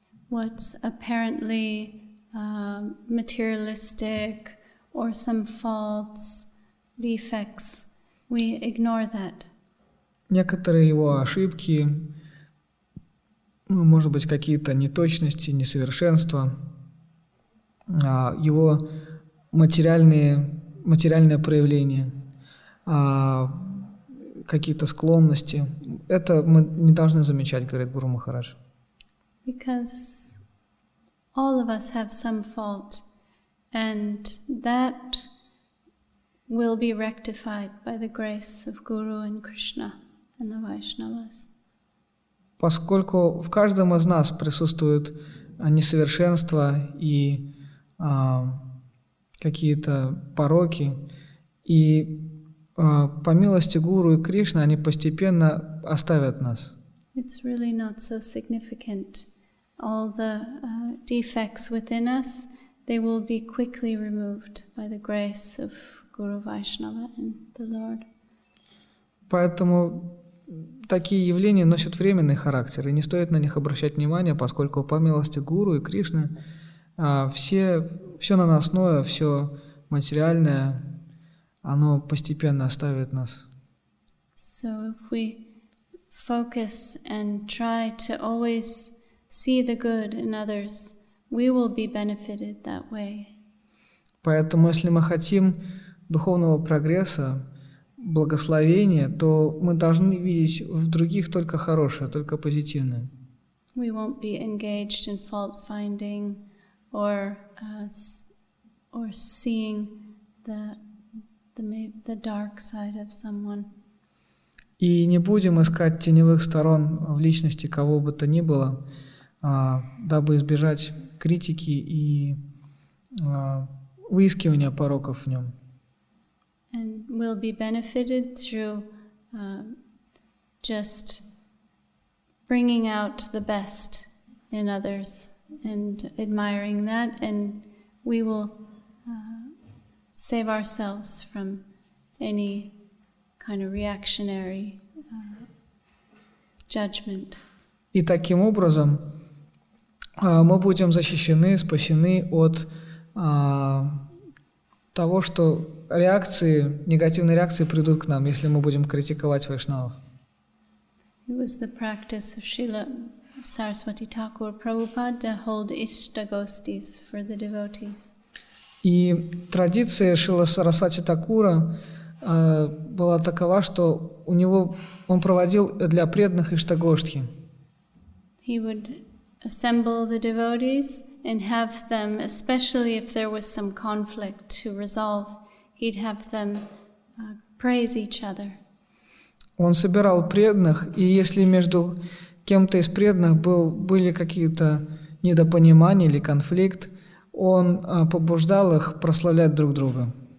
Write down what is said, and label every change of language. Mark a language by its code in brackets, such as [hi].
[en] What's apparently materialistic or some faults, defects, we ignore that. [ru] Некоторые его ошибки, может быть, какие-то неточности, несовершенства. его материальное проявление, какие-то склонности. Это мы не должны замечать, говорит Гуру Махарадж. [en] Because all of us have some fault, and that will be rectified by the grace of Guru and Krishna and the Vaishnavas. [ru] Поскольку в каждом из нас присутствуют несовершенства и какие-то пороки, и по милости Гуру и Кришны они постепенно оставят нас. [en] It's really not so significant. All the defects within us, they will be quickly removed by the grace of Guru Vaishnava and the Lord. [ru] Поэтому такие явления носят временный характер, и не стоит на них обращать внимание, поскольку по милости Гуру и Кришны все наносное, все материальное, оно постепенно оставит нас. [en] So if we focus and try to always see the good in others, we will be benefited that way. [ru] Поэтому, если мы хотим духовного прогресса, благословения, то мы должны видеть в других только хорошее, только позитивное. [en] We won't be engaged in fault finding or seeing the dark side of someone. [ru] И не будем искать теневых сторон в личности кого бы то ни было, дабы избежать критики и выискивания пороков в нем. [en] And we'll be benefited through just bringing out the best in others and admiring that, and we will save ourselves from any kind of reactionary judgment. [ru] И таким образом мы будем защищены, спасены от того, что реакции, негативные реакции придут к нам, если мы будем критиковать вайшнавов. [en] It was the practice of Srila Saraswati Thakur Prabhupada to hold ishtagostis for the devotees. [ru] И традиция Шрила Сарасвати Такура была такова, что он проводил для преданных ishtagostki. [en] He would assemble the devotees and have them, especially if there was some conflict to resolve, he'd have them praise each other. [ru] Он собирал преданных, и если между кем-то из преданных были какие-то недопонимания или конфликт, он побуждал их прославлять друг друга.